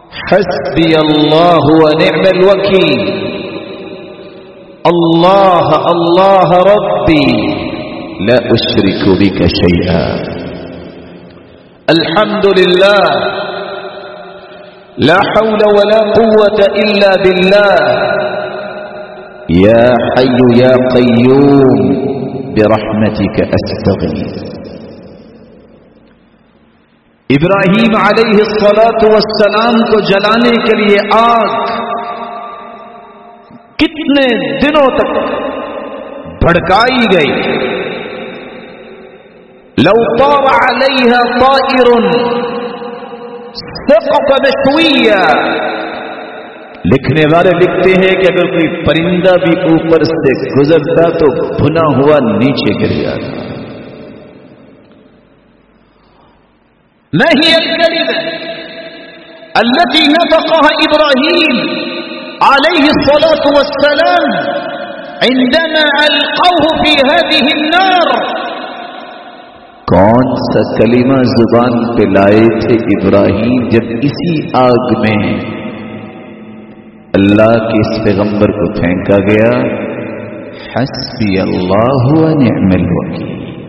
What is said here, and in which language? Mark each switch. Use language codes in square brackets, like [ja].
[ar] حسبی اللہ ونعم الوکیل, اللہ اللہ ربی لا اشرک بک شیئا, الحمد للہ, لا حول ولا قوة الا باللہ, يا حي يا قيوم برحمتك أستغيث. [ur] ابراہیم علیہ الصلاۃ والسلام کو جلانے کے لیے آگ کتنے دنوں تک بھڑکائی گئی، [ar] لو طار علیہا طائر سقط مشویہ، [ur] لکھنے والے لکھتے ہیں کہ اگر کوئی پرندہ بھی اوپر سے گزرتا تو بھنا ہوا نیچے گر جاتا. [ar] ما هي الكلمة التي نطقها إبراهيم عليه الصلاة والسلام عندما ألقوه في هذه النار؟ [ur] کون سا کلمہ زبان پہ لائے تھے ابراہیم جب اسی آگ میں اللہ کے اس پیغمبر کو پھینکا گیا؟ [ar] حسبی اللہ ونعم الوکیل.